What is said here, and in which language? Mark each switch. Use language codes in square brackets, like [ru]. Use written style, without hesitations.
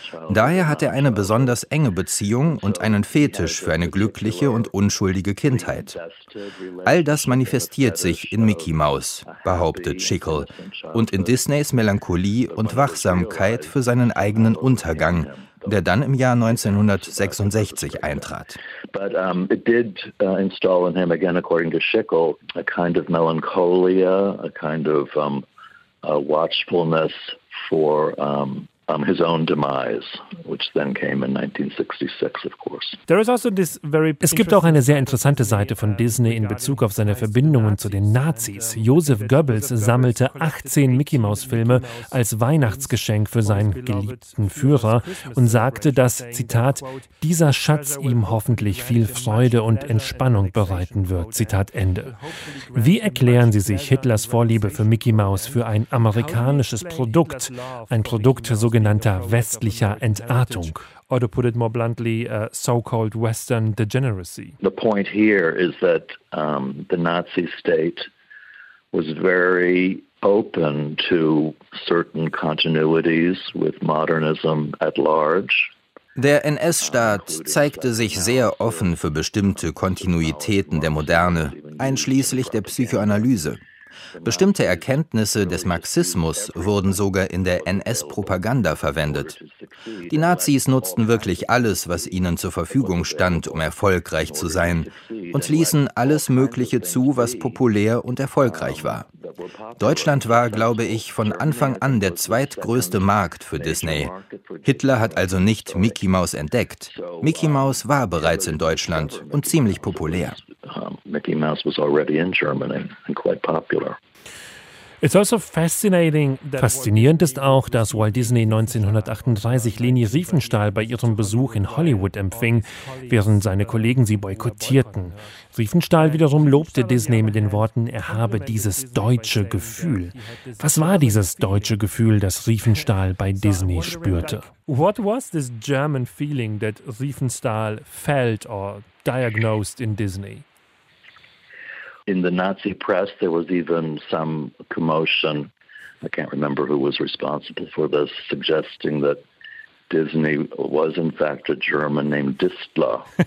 [de] Daher hat er eine besonders enge Beziehung und einen Fetisch für eine glückliche und unschuldige Kindheit. All das manifestiert sich in Mickey Mouse, behauptet Schickel, und in Disneys Melancholie und Wachsamkeit für seinen eigenen Untergang, der dann im Jahr 1966 eintrat. [en] But it did install in him, again according to Schickel, a kind of melancholia, a kind of a watchfulness for his own demise, which then came in 1966, of course. [de] Es gibt auch eine sehr interessante Seite von Disney in Bezug auf seine Verbindungen zu den Nazis. Joseph Goebbels sammelte 18 Mickey-Maus-Filme als Weihnachtsgeschenk für seinen geliebten Führer und sagte, dass, Zitat, dieser Schatz ihm hoffentlich viel Freude und Entspannung bereiten wird, Zitat Ende. Wie erklären Sie sich Hitlers Vorliebe für Mickey Mouse für ein amerikanisches Produkt, ein Produkt sogenannter sogenannter westlicher Entartung. [en] Or to put it more bluntly, so-called Western degeneracy. The point here is that the Nazi state was very open to certain continuities with modernism at large. [de] Der NS-Staat zeigte sich sehr offen für bestimmte Kontinuitäten der Moderne, einschließlich der Psychoanalyse. Bestimmte Erkenntnisse des Marxismus wurden sogar in der NS-Propaganda verwendet. Die Nazis nutzten wirklich alles, was ihnen zur Verfügung stand, um erfolgreich zu sein, und ließen alles Mögliche zu, was populär und erfolgreich war. Deutschland war, glaube ich, von Anfang an der zweitgrößte Markt für Disney. Hitler hat also nicht Mickey Mouse entdeckt. Mickey Mouse war bereits in Deutschland und ziemlich populär. [en] Mickey Mouse was already in Germany and quite popular. It's also fascinating. [de] Faszinierend ist auch, dass Walt Disney 1938 Leni Riefenstahl bei ihrem Besuch in Hollywood empfing, während seine Kollegen sie boykottierten. Riefenstahl wiederum lobte Disney mit den Worten, er habe dieses deutsche Gefühl. Was war dieses deutsche Gefühl, das Riefenstahl bei Disney spürte? [en] What was this German feeling that Riefenstahl felt or diagnosed in Disney? In the Nazi press, there was even some commotion. I can't remember who was responsible for this, suggesting that Disney was in fact a German named Distler.